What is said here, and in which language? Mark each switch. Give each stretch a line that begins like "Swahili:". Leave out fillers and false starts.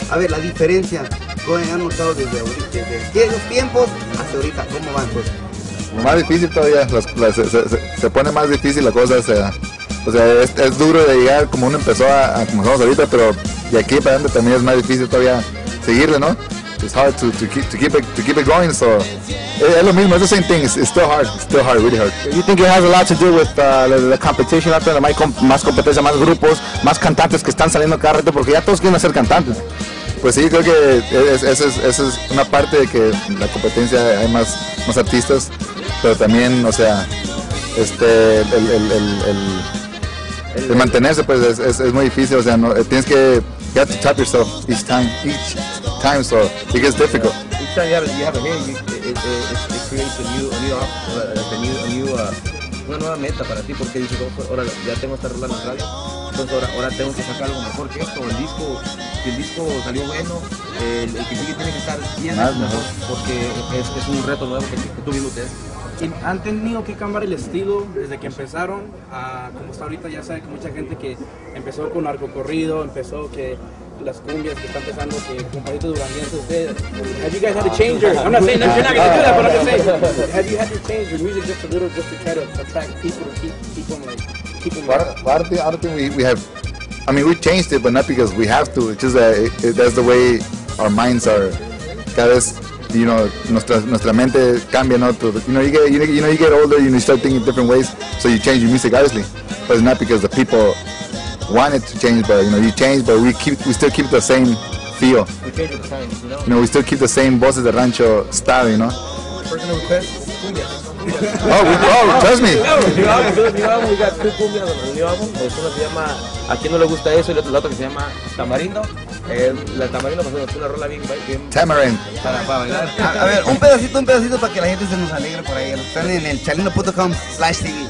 Spanish: A ver, la diferencia, ¿cómo han notado desde ahorita? Desde aquellos tiempos hasta ahorita, ¿cómo van? Pues más difícil todavía. Se pone más difícil la cosa, O sea, es duro de llegar como uno empezó a como somos ahorita, pero de aquí para adelante también es más difícil todavía seguirle, ¿no?
English: It's hard to keep it going, so
Spanish: es lo mismo,
English: es the same thing, it's still hard, really hard. You think it has a lot to do with the competition, after the
Spanish: más competencia, más grupos, más cantantes que están saliendo cada rato, porque ya todos quieren ser cantantes? Pues sí, creo que esa es una parte de que la competencia, hay más artistas, pero también, o sea, el mantenerse, pues es muy difícil, o sea, no, tienes que,
English: you have to top yourself each time, so it gets difficult. Each time you have a hit, it creates a new
Spanish: una nueva meta para ti, porque dices, ahora ya tengo esta rola en la radio, entonces ahora tengo que sacar algo mejor que esto, el disco salió bueno, el que sigue tiene que estar bien, más mejor, porque es un reto nuevo que tú mismo te das. ¿Han tenido que cambiar el estilo desde que empezaron a como está ahorita? Ya sabe que mucha gente que empezó con arco corrido, empezó que las cumbias, que está empezando que con palitos duranguenses. Ustedes,
English: have you guys had to change your, I'm not saying that you're not going to do that, but I'm just saying, have you had to change your music just a little, just to try to attract people, keep them? I don't think we changed it, but not because we have to, it's just that that's the way our minds are,
Spanish: cada vez,
English: you know,
Spanish: nuestra mente cambia, ¿no?
English: You get older, you start thinking different ways, so you change your music, obviously. But it's not because the people want it to change, but, you know, you change, but we still keep the same feel. We change the times, you know? You know, we still keep the same
Spanish: voces de rancho
English: style, you know? Personal request, cumbia. Oh, trust me. We got two cumbias
Spanish: en el nuevo álbum. Uno se llama A Quien No Le Gusta Eso, y el otro que se llama Tamarindo. La Tamarindo es una rola bien. Tamarindo. Para bailar. A ver, un pedacito para que la gente se nos alegre por ahí. Están en el chalino.com/TV.